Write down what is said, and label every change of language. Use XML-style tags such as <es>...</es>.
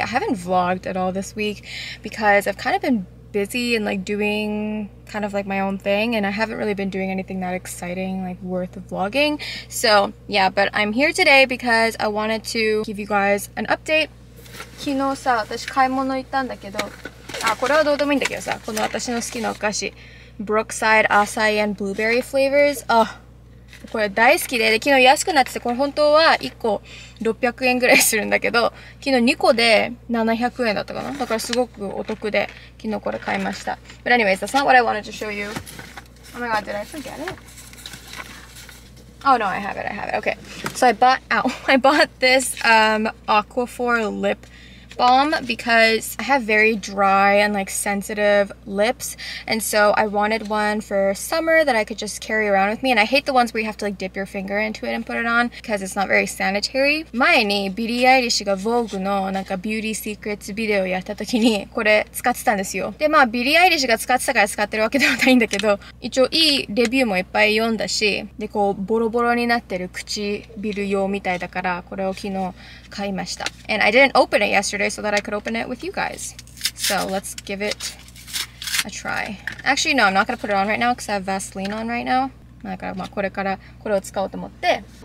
<en>I haven't vlogged at all this week because I've kind of been busy and like doing kind of like my own thing, and I haven't really been doing anything that exciting, like worth vlogging. So yeah, but I'm here today because I wanted to give you guys an update.</en> <ja>昨日さ、私買い物行ったんだけど、あ、これはどうでもいいんだけどさ、この私の好きなお菓子、</ja> <en>Brookside Acai and Blueberry Flavors。</en> <ja>あ、これ大好きで、で昨日安くなってて、これ本当は1個600円ぐらいするんだけど、昨日2個で700円だったかな。だからすごくお得で、昨日これ買いました。</ja> <en>But anyways, that's not what I wanted to show you. Oh my god, did I forget it? Oh no, I have it. Okay. So I bought this Aquaphor lip balm because I have very dry and like sensitive lips, and so I wanted one for summer that I could just carry around with me. And I hate the ones where you have to like dip your finger into it and put it on because it's not very sanitary.</en> <ja>前にビリー・アイリッシュが Vogue のなんかビューティー・シークレッツビデオやった時にこれ使ってたんですよ。でまあビリー・アイリッシュが使ってたから使ってるわけではないんだけど、一応いいレビューもいっぱい読んだし、でこうボロボロになってる唇用みたいだからこれを昨日買いました。</ja> <en>And I didn't open it yesterday. So that I could open it with you guys. So let's give it a try. Actually, no, I'm not gonna put it on right now because I have Vaseline on right now.</en> <ja>だからまあこれからこれを使おうと思って。</ja>